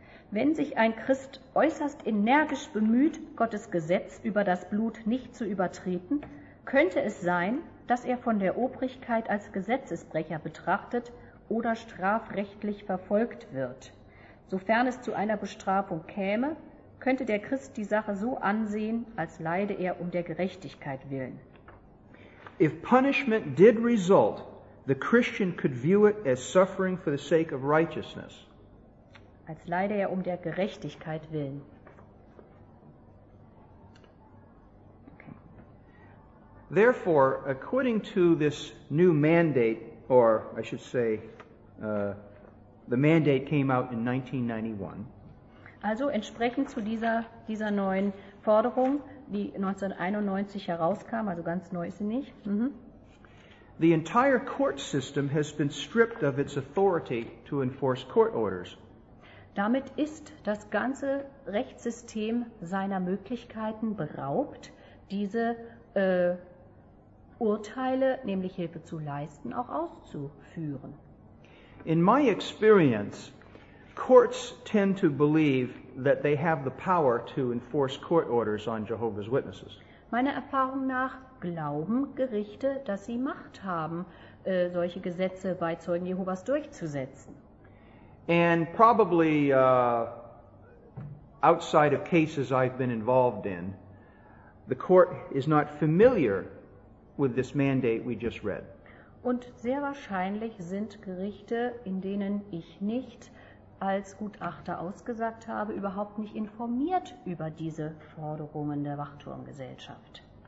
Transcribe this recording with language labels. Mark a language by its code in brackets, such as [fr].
[de] Wenn sich ein Christ äußerst energisch bemüht, Gottes Gesetz über das Blut nicht zu übertreten, könnte es sein, dass er von der Obrigkeit als Gesetzesbrecher betrachtet oder strafrechtlich verfolgt wird. Sofern es zu einer Bestrafung käme, könnte der Christ die Sache so ansehen, als leide er um der Gerechtigkeit willen. [en] If punishment did result, the Christian could view it as suffering for the sake of righteousness. [de] Als leide er um der Gerechtigkeit willen. [en] Therefore, according to this new mandate, or I should say, the mandate came out in 1991. [de] Also entsprechend zu dieser neuen Forderung, die 1991 herauskam, also ganz neu ist sie nicht. [en] The entire court system has been stripped of its authority to enforce court orders. [de] Damit ist das ganze Rechtssystem seiner Möglichkeiten beraubt, diese Urteile, nämlich Hilfe zu leisten, auch auszuführen. [en] In my experience, courts tend to believe that they have the power to enforce court orders on Jehovah's Witnesses. [de] Meiner Erfahrung nach glauben Gerichte, dass sie Macht haben, solche Gesetze bei Zeugen Jehovas durchzusetzen. [en] And probably outside of cases I've been involved in, the court is not familiar with this mandate we just read. [de] Und sehr wahrscheinlich sind Gerichte, in denen ich nicht als Gutachter ausgesagt habe, überhaupt nicht informiert über diese Forderungen der Wachturmgesellschaft.